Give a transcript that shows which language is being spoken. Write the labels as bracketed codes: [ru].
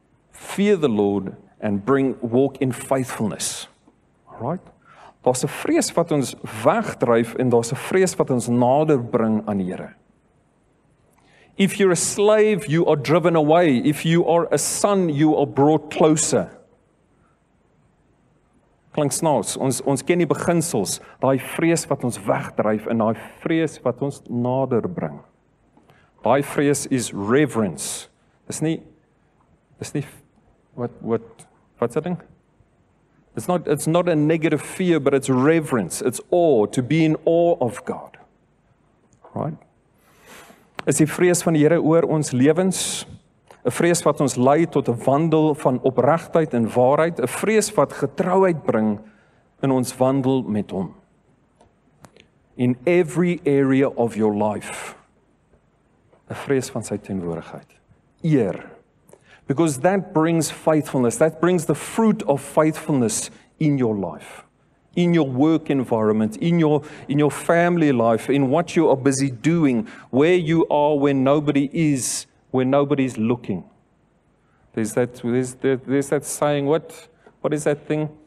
[en] Fear the Lord and bring walk in faithfulness. Alright? [af] Daar's 'n vrees wat ons wegdryf en daar's 'n vrees wat ons nader bring aan die Here. [en] If you're a slave, you are driven away. If you are a son, you are brought closer. [af] Klink snaaks. Ons ken die beginsels, daai vrees wat ons wegdryf en daai vrees wat ons nader bring. Daai vrees is reverence. Dis nie [en] what's that thing? It's not a negative fear, but it's reverence. It's awe, to be in awe of God. Right? [af] Is die vrees van die Here oor ons lewens? 'N Vrees wat ons lei tot 'n wandel van opregtheid en waarheid, 'n vrees wat getrouheid bring in ons wandel met hom. [en] In every area of your life. [af] 'N Vrees van sy teenwoordigheid. [en] Eer. Because that brings faithfulness. That brings the fruit of faithfulness in your life. In your work environment, in your family life, in what you are busy doing, where you are when nobody is, when nobody's looking. There's that saying, what is that thing?